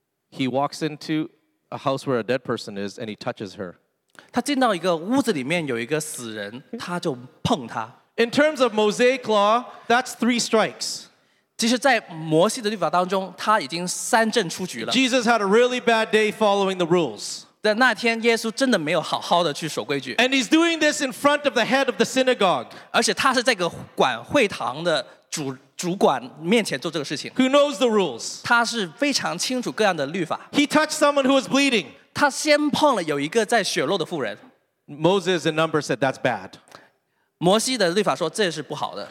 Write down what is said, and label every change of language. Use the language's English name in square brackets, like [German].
[English] He walks into a house where a dead person is, and he touches her. [Chinese] 他进到一个屋子里面有一个死人，他就碰他。 [English] In terms of Mosaic law, that's three strikes. [Chinese] 其实，在摩西的律法当中，他已经三振出局了。 [English] Jesus had a really bad day following the rules. [Chinese] 但那天耶稣真的没有好好的去守规矩。 [English] And he's doing this in front of the head of the synagogue. [Chinese] 而且他是在个管会堂的主管面前做这个事情。 [English] Who knows the rules? [Chinese] 他是非常清楚各样的律法。 [English] He touched someone who was bleeding. [Chinese] 他先碰了有一个在血漏的妇人。 [English] Moses and Numbers said that's bad. [Chinese] 摩西的律法说这是不好的。